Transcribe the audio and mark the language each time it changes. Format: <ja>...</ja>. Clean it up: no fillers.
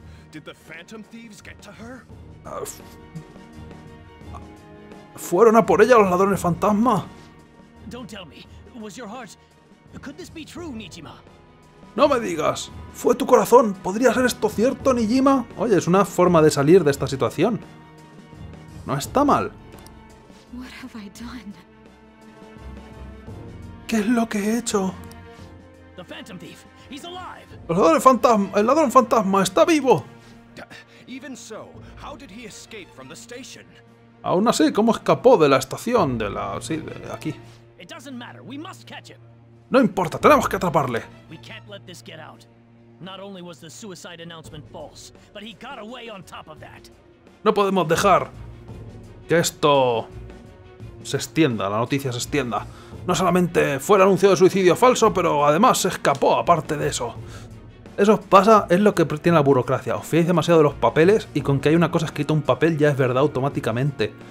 <en>Did the Phantom Thieves get to her?</en> <es>¿Fueron a por ella los ladrones fantasma?</es> <en>Don't tell me. Was your heart? Could this be true, Nijima?</en> <es>No me digas. Fue tu corazón. ¿Podría ser esto cierto, Nijima? Oye, es una forma de salir de esta situación. No está mal.</es> <en>What have I done?</en> <es>¿Qué es lo que he hecho?</es> <en>The Phantom Thief. He's alive.</en> <es>El ladrón fantasma está vivo.</es> <en>Even so, how did he escape from the station?</en> <es>Aún así, ¿cómo escapó de la estación? De la... sí, de aquí.</es> <en>It doesn't matter. We must catch him.</en> <es>No importa, tenemos que atraparle.</es> <en>We can't let this get out. Not only was the suicide announcement false, but he got away on top of that.</en> <es>No podemos dejar que esto se extienda, la noticia se extienda. No solamente fue el anuncio de suicidio falso, pero además se escapó aparte de eso. Eso pasa, es lo que tiene la burocracia. Os fiáis demasiado de los papeles y con que hay una cosa escrita en un papel ya es verdad automáticamente.</es>